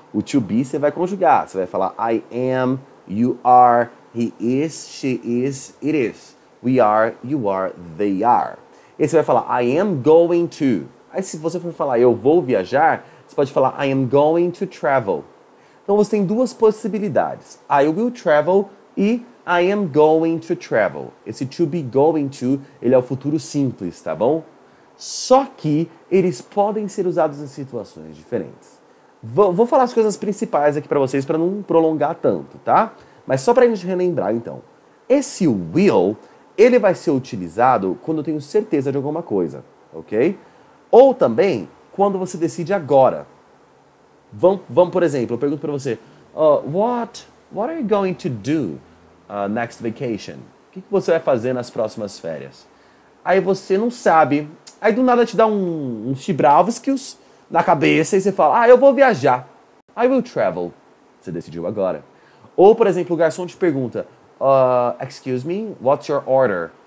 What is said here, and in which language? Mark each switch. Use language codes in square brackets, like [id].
[en] O to be [pt] você vai conjugar, você vai falar [en] I am, you are, he is, she is, it is. We are, you are, they are. [pt] E você vai falar [en] I am going to. [pt] Aí se você for falar eu vou viajar, você pode falar [en] I am going to travel. [pt] Então você tem duas possibilidades. [en] I will travel e I am going to travel. [pt] Esse to be going to, ele é o futuro simples, tá bom? Só que eles podem ser usados em situações diferentes. Vou falar as coisas principais aqui pra vocês pra não prolongar tanto, tá? Mas só pra gente relembrar, então. Esse will, ele vai ser utilizado quando eu tenho certeza de alguma coisa, ok? Ou também, quando você decide agora. Vamos, por exemplo, eu pergunto pra você. [en] What are you going to do next vacation? [pt] O que você vai fazer nas próximas férias? Aí você não sabe. Aí do nada te dá um Shibravskis na cabeça e você fala, ah, eu vou viajar. [en] I will travel. [pt] Você decidiu agora. Ou, por exemplo, o garçom te pergunta, [en] excuse me, what's your order?